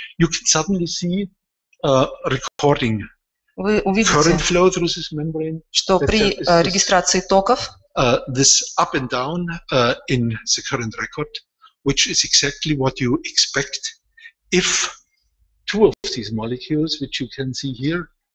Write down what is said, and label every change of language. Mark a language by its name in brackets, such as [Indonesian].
[English] you can suddenly see recording. [Russian] Вы увидите, [English] current flow through this membrane, [Russian] что при регистрации токов, [English] this up and down in the current record, which is exactly what you expect if two of these molecules, which you can see here.